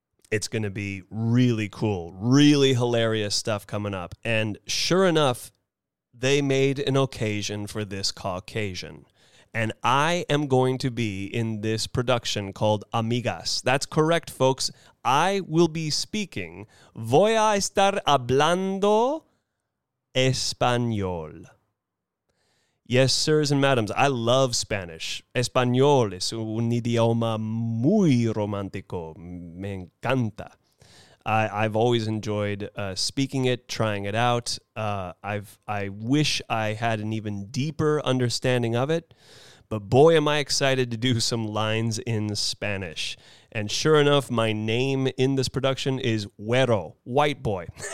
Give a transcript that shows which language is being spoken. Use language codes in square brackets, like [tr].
[en] It's going to be really cool, really hilarious stuff coming up. And sure enough, they made an occasion for this Caucasian. And I am going to be in this production called Amigas. That's correct, folks. I will be speaking. [es] Voy a estar hablando español. [en] Yes, sirs and madams, I love Spanish. [es] Español es un idioma muy romántico. Me encanta. [en] I've always enjoyed speaking it, trying it out. I wish I had an even deeper understanding of it. But boy, am I excited to do some lines in Spanish. And sure enough, my name in this production is Güero, white boy.